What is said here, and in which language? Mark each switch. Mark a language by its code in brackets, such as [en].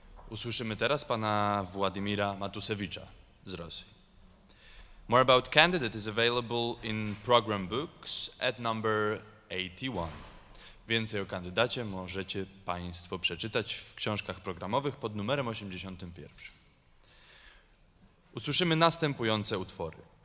[pl] Usłyszymy teraz pana Władimira Matusewicza z Rosji. [en] More about candidate is available in program books at number 81. [pl] Więcej o kandydacie możecie państwo przeczytać w książkach programowych pod numerem 81. Usłyszymy następujące utwory.